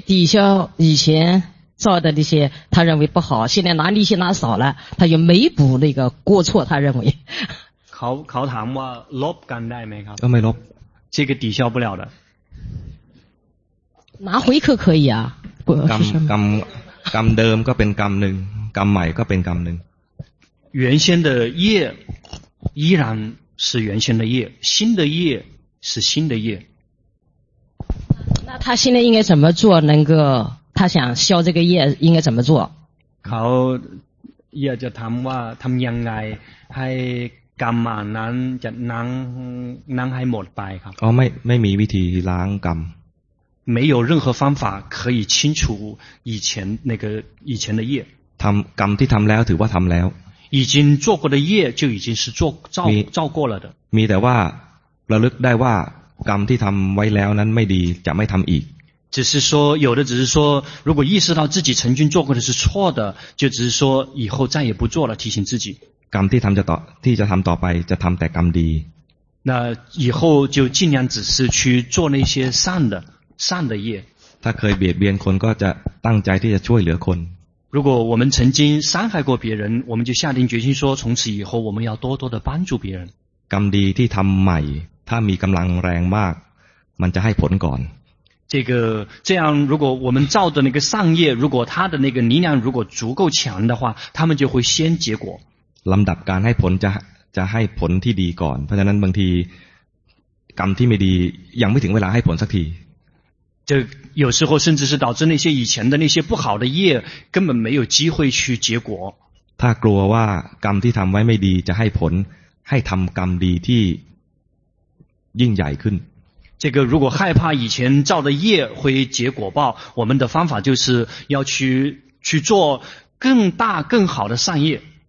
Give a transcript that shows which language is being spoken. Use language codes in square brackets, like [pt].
[zh] 抵消以前造的那些他认为不好现在拿利息拿少了他就弥补那个过错他认为 [th] เขาถามว่าลบกันได้ไหมครับ ก็ไม่ลบ [zh] 这个抵消不了的拿回扣可以啊 [th] กรรมเดิมก็เป็นกรรมหนึ่งกรรมใหม่ก็เป็นกรรมหนึ่ง [zh] 原先的业依然是原先的业新的业是新的业那他现在应该怎么做能够他想消这个业应该怎么做 [th] เขาอยากจะถามว่าทำยังไงให้ กรรมนั้นจะนั่งให้หมดไปครับ อ๋อไม่มีวิธีล้างกรรม [zh] 没有任何方法可以清除以前那个以前的业 [th] ทำกรรมที่ทำแล้วถือว่าทำแล้ว [zh] 已经做过的业就已经是做造过了的 [th] มีแต่ว่าระลึกได้ว่ากรรมที่ทำไว้แล้วนั้นไม่ดีจะไม่ทำอีก [zh] 只是说有的只是说如果意识到自己曾经做过的是错的就只是说以后再也不做了提醒自己 [th] กรรมที่ทำจะต่อที่จะทำต่อไปจะทำแต่กรรมดี [zh] 那以后就尽量只是去做那些善的业 [th] ถ้าเคยเบียดเบียนคนก็จะตั้งใจที่จะช่วยเหลือคน [zh] 如果我们曾经伤害过别人我们就下定决心说从此以后我们要多多的帮助别人 [th] กรรมดีที่ทำใหม่ถ้ามีกำลังแรงมากมันจะให้ผลก่อน [zh] 这样如果我们造的那个善业如果它的那个力量如果足够强的话他们就会先结果 [th] ลำดับการให้ผลจะให้ผลที่ดีก่อนเพราะฉะนั้นบางทีกรรมที่ไม่ดียังไม่ถึงเวลาให้ผลสักที [zh] จะ有时候甚至是导致那些以前的那些不好的业根本没有机会去结果 [th] ถ้ากลัวว่ากรรมที่ทำไว้ไม่ดีจะให้ผลให้ทำกรรมดีที่ยิ่งใหญ่ขึ้น [zh] 这个如果害怕以前造的业会结果报我们的方法就是要去做更大更好的善业